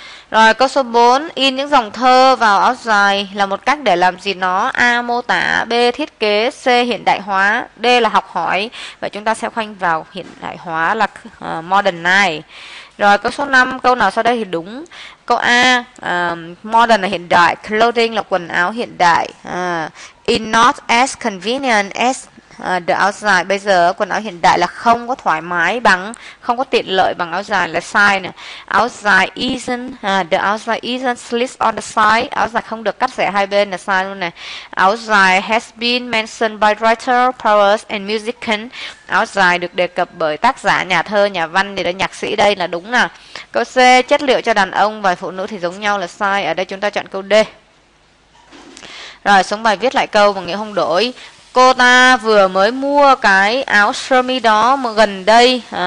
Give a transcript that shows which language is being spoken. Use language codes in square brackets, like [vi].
[vi] Rồi câu số 4, in những dòng thơ vào áo dài là một cách để làm gì nó? A mô tả, B thiết kế, C hiện đại hóa, D là học hỏi. Vậy chúng ta sẽ khoanh vào hiện đại hóa là modern này. Rồi câu số 5, câu nào sau đây thì đúng? Câu A, modern là hiện đại, clothing là quần áo hiện đại. [en] In not as convenient as the áo dài. [vi] Bây giờ quần áo hiện đại là không có thoải mái bằng, không có tiện lợi bằng áo dài là sai nè. [en] Áo dài isn't, the áo dài isn't slit on the side. [vi] Áo dài không được cắt xẻ hai bên là sai luôn nè. [en] Áo dài has been mentioned by writer, poet and musician. [vi] Áo dài được đề cập bởi tác giả, nhà thơ, nhà văn thì là nhạc sĩ, đây là đúng nè. Câu C, chất liệu cho đàn ông và phụ nữ thì giống nhau là sai. Ở đây chúng ta chọn câu D. Rồi xuống bài viết lại câu và nghĩa không đổi. Cô ta vừa mới mua cái áo sơ mi đó mà gần đây.